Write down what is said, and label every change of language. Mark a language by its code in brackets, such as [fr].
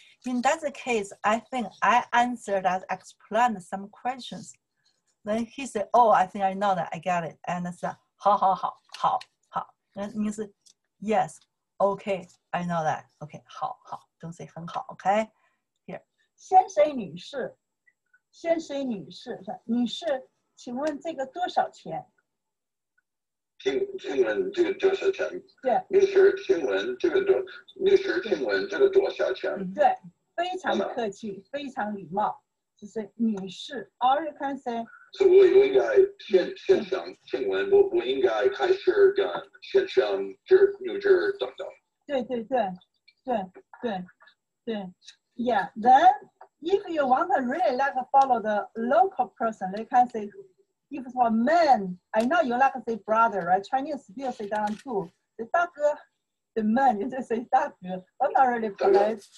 [en] In that case, I think I answered that, explained some questions. Then he said, oh, I think I know that, I got it. And I said, [zh] 好好好好好 [en] That means, yes, okay, I know that, okay, [zh] 好好 [en] Don't say [zh] 很好 [en] okay? Here. [zh] 先生女士先生女士女士请问这个多少钱请问这个多少钱对女士请问这个多女士请问这个多少钱对非常客气非常礼貌就是女士 [en] or you can say [zh] 所以我应该先生请问我应该开始跟先生女士等等对对对对对对 [en] yeah then If you want to really like follow the local person, they can say, if for men, I know you like to say brother, right? Chinese still say that too. The 大哥 the man, you just say 大哥 I'm not really polite.